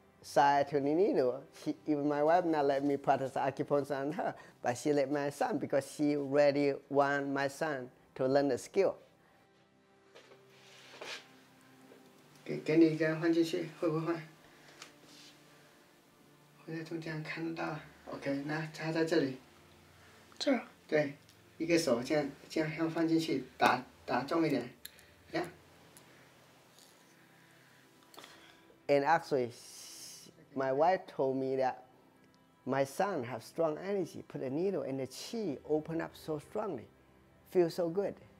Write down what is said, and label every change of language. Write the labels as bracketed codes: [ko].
[en] Sai Toninino, even my wife not let me practice acupuncture on her, but she let my son because she really want my son to learn the skill. [zh] 给你一个放进去，会不会？我在中间看得到。OK，那插在这里。这儿。对，一个手这样放进去，打中一点，呀。 [en] And actually, my wife told me that my son has strong energy. Put a needle and the chi open up so strongly, feel so good.